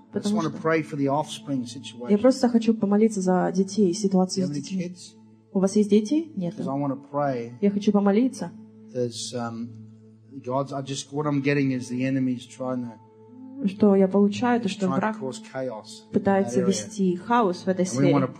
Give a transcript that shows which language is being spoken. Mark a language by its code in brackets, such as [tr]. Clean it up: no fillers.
[en] I just want to pray for the offspring situation. [ru] Я просто хочу помолиться за детей, ситуацию с детьми. [en] Do you have any kids? [ru] У вас есть дети? Нет. [en] Because I want to pray. [ru] Я хочу помолиться. [en] There's gods. I just what I'm getting is the enemy's trying to. [ru] Что я получаю, то что враг пытается вести хаос в этой сфере.